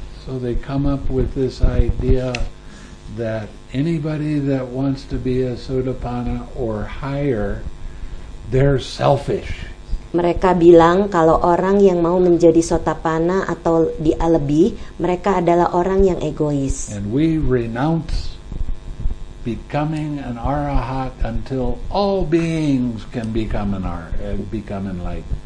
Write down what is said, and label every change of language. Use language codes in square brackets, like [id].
[en] So they come up with this idea that anybody that wants to be a sotapana or higher, they're selfish. [id] Mereka bilang kalau orang yang mau menjadi sotapana atau dilebih, mereka adalah orang yang egois. [en] And we renounce becoming an arahat until all beings can become become enlightened.